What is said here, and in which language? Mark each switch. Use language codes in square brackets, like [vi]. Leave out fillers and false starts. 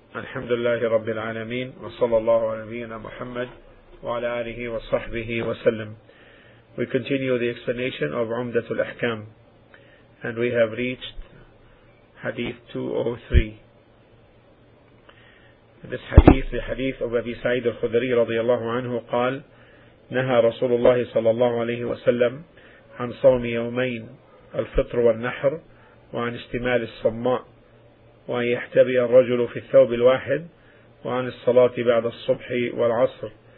[ar] الحمد لله رب العالمين، وصلى الله على نبينا محمد وعلى آله وصحبه وسلم. [en] We continue the explanation of عمدة الأحكام and we have reached حديث 203. This hadith, the hadith of Abi Sa'id al-Khudri [ar] رضي الله عنه قال نهى رسول الله صلى الله عليه وسلم عن صوم يومين الفطر والنحر وعن اشتمال الصماء وأن يحتبي الرجل في الثوب الواحد وعن الصلاة بعد الصبح والعصر.